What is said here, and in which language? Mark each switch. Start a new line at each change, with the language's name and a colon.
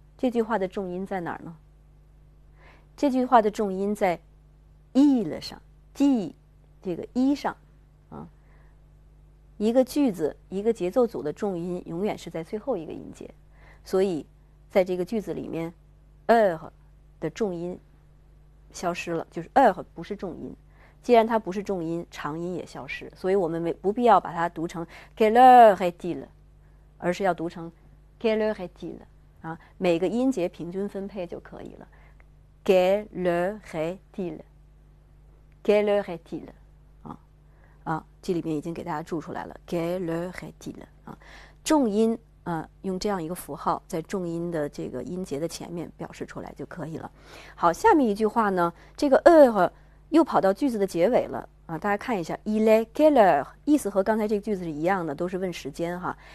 Chinese: 这句话的重音在哪儿呢？这句话的重音在 il 上，di 这个 i 上，啊，一个句子一个节奏组的重音永远是在最后一个音节，所以在这个句子里面，er 的重音消失了，就是 er 不是重音。既然它不是重音，长音也消失，所以我们没不必要把它读成
French: quelle heure est-il，
Chinese: 而是要读成 quelle heure est-il 啊，每个音节平均分配就可以了。
French: Quelle heure est-il？Quelle heure est-il？
Chinese: 啊，这里面已经给大家注出来了，
French: quelle heure est-il？
Chinese: 啊，重音啊，用这样一个符号在重音的这个音节的前面表示出来就可以了。好，下面一句话呢，这个 er。又跑到句子的结尾了啊！大家看一下，
French: il est quelle heure，
Chinese: 意思和刚才这个句子是一样的，都是问时间哈。